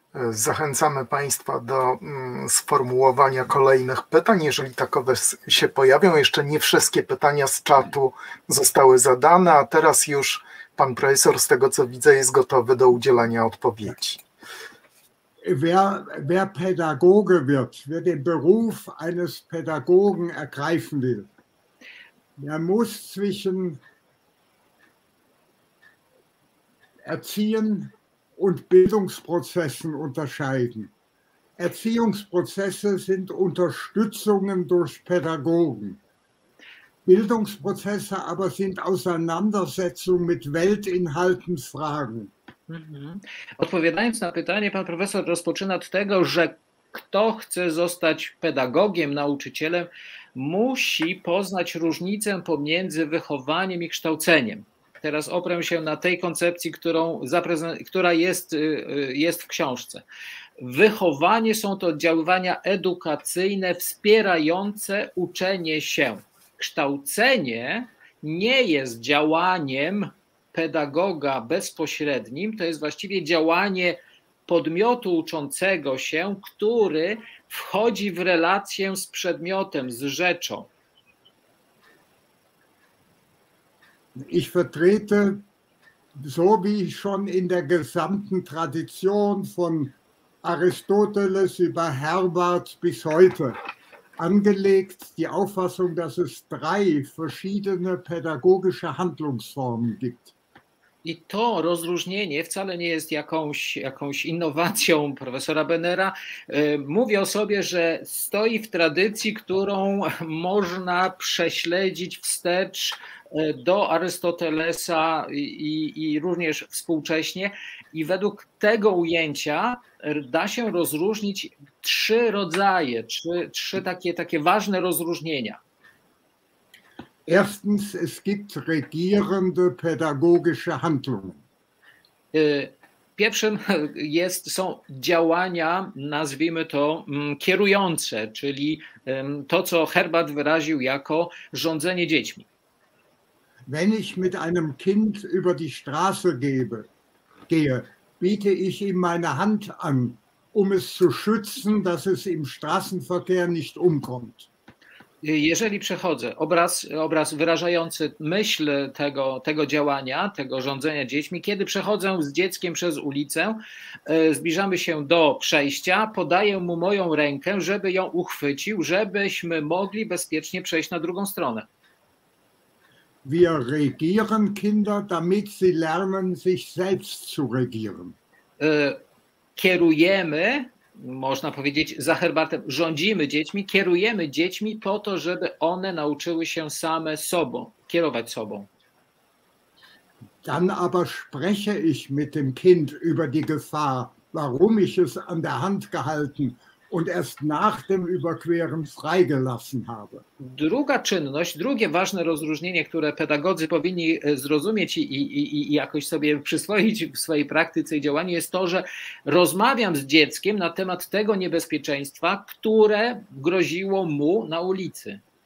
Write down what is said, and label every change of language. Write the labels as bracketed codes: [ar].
[pl] Zachęcamy Państwa do sformułowania kolejnych pytań, jeżeli takowe się pojawią. Jeszcze nie wszystkie pytania z czatu zostały zadane, a teraz już pan profesor, z tego co widzę, jest gotowy do udzielania odpowiedzi. [de] Wer Pädagoge wird, wer den Beruf eines Pädagogen ergreifen will, der muss zwischen Erziehen und Bildungsprozessen unterscheiden. Erziehungsprozesse sind Unterstützungen durch Pädagogen. Bildungsprozesse aber sind Auseinandersetzung mit Weltinhalten, Fragen. [pl] Odpowiadając na pytanie, pan profesor rozpoczyna od tego, że kto chce zostać pedagogiem, nauczycielem, musi poznać różnicę pomiędzy wychowaniem i kształceniem. Teraz oprę się na tej koncepcji, która jest w książce. Wychowanie są to oddziaływania edukacyjne wspierające uczenie się. Kształcenie nie jest działaniem pedagoga bezpośrednim, to jest właściwie działanie podmiotu uczącego się, który wchodzi w relację z przedmiotem, z rzeczą. [de] Ich vertrete, so wie schon in der gesamten Tradition von Aristoteles über Herbart bis heute angelegt, die Auffassung, dass es drei verschiedene pädagogische Handlungsformen gibt. [pl] I to rozróżnienie wcale nie jest jakąś innowacją profesora Benera. Mówię o sobie, że stoi w tradycji, którą można prześledzić wstecz do Arystotelesa i również współcześnie. I według tego ujęcia da się rozróżnić trzy rodzaje, trzy takie ważne rozróżnienia. [de] Erstens, es gibt regierende pädagogische Handlungen. [pl] Pierwszym są działania, nazwijmy to, kierujące, czyli to, co Herbart wyraził jako rządzenie dziećmi. [de] Wenn ich mit einem Kind über die Straße gehe, biete ich ihm meine Hand an, um es zu schützen, dass es im Straßenverkehr nicht umkommt. [pl] Jeżeli przechodzę, obraz wyrażający myśl tego działania, tego rządzenia dziećmi, kiedy przechodzę z dzieckiem przez ulicę, zbliżamy się do przejścia, podaję mu moją rękę, żeby ją uchwycił, żebyśmy mogli bezpiecznie przejść na drugą stronę. [de] Wir regieren Kinder, damit sie lernen, sich selbst zu regieren. [pl] Kierujemy, można powiedzieć za Herbartem, rządzimy dziećmi, kierujemy dziećmi po to, żeby one nauczyły się same sobą, kierować sobą. [de] Dann aber spreche ich mit dem Kind über die Gefahr, warum ich es an der Hand gehalten und erst nach dem Überqueren freigelassen habe. [pl] Druga czynność, drugie ważne rozróżnienie, które pedagodzy powinni zrozumieć i jakoś sobie przyswoić w swojej praktyce i działaniu, jest to, że rozmawiam z dzieckiem na temat tego niebezpieczeństwa, które groziło mu na ulicy.